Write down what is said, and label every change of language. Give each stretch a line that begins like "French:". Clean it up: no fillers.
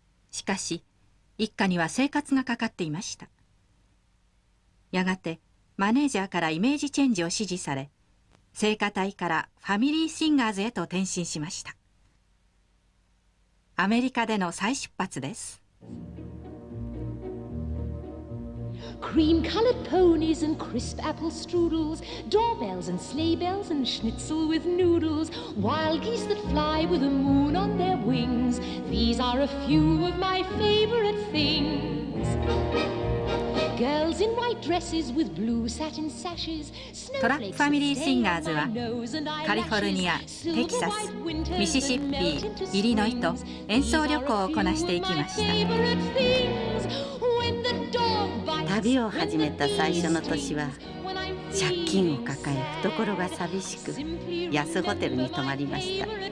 Japanese: しかし一家には生活がかかっていました。やがてマネージャーからイメージチェンジを指示され、聖歌隊からファミリーシンガーズへと転身しました。アメリカでの再出発です。
English: Cream colored ponies and crisp apple strudels, doorbells and sleigh bells and schnitzel with noodles, wild geese that fly with the moon on their wings, these are a few of my favorite things. Girls in white dresses with blue satin sashes.
Japanese: トラップファミリーシンガーズはカリフォルニア、テキサス、ミシシッピー、イリノイと演奏旅行をこなしていきました。旅を始めた最初の年は借金を抱え、懐が寂しく安ホテルに泊まりました。